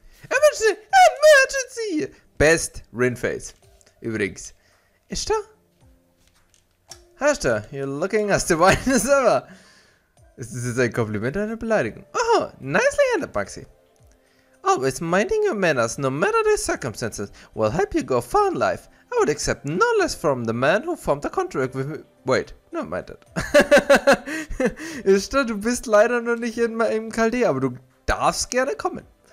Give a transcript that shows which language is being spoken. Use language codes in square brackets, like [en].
[en] Emergency! Best Rinface. [de] Übrigens, ist da? [en] Hashtag, you're looking as divine as ever. [de] Ist das jetzt ein Kompliment oder eine Beleidigung? [en] Oh, nicely ended, Bugsy. Always minding your manners, no matter the circumstances, will help you go far in life. I would accept no less from the man who formed the contract with me. Wait, never mind that. [de] Ishtar, du bist leider noch nicht in meinem Kaldee, aber du darfst gerne kommen.